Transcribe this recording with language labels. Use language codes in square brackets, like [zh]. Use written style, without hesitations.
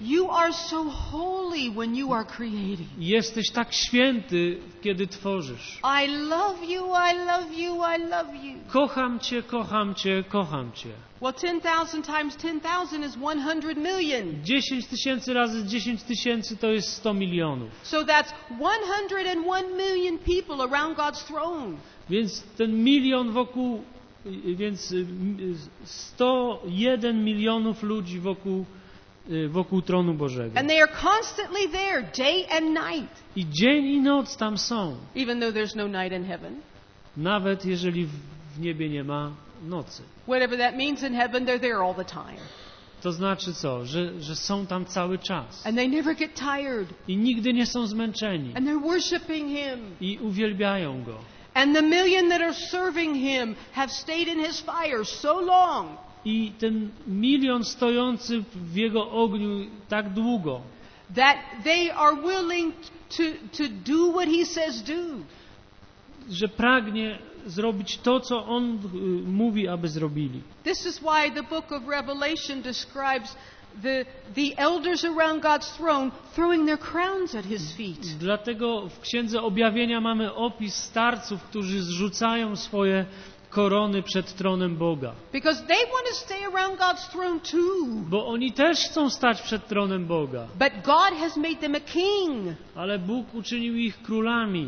[en] You are so holy when you are creating. [pl] Jesteś tak święty, kiedy tworzysz. [en] I love you, I love you, I love you. [pl] Kocham cię, kocham cię, kocham cię. [en] Well, 10,000 times 10,000 is 100 million. [pl] 10,000 razy 10,000 to jest 100 milionów. [en] So that's 101 million people around God's throne. [pl] Więc ten milion wokół, więc 101 milionów ludzi wokół tronu Bożego. [en] And they are constantly there, day and night. [pl] I dzień i noc tam są. [en] Even though there's no night in heaven. [pl] Nawet jeżeli w niebie nie ma nocy. [en] Whatever that means in heaven, they're there all the time. [pl] To znaczy co? Że są tam cały czas. [en] And they never get tired. [pl] I nigdy nie są zmęczeni. [en] And they're worshiping him. [pl] I uwielbiają go. [en] And the million that are serving him have stayed in his fire so long. [pl] I ten milion stojący w jego ogniu tak długo. [en] That they are willing to do what he says do. [pl] Że pragnie zrobić to, co on mówi, aby zrobili. [en] This is why the book of Revelation describes the elders around God's throne throwing their crowns at his feet. [pl] Dlatego w Księdze Objawienia mamy opis starców, którzy zrzucają swoje korony przed tronem Boga. [en] Because they want to stay around God's throne too. [pl] Bo oni też chcą stać przed tronem Boga. [en] But God has made them a king. [pl] Ale Bóg uczynił ich królami.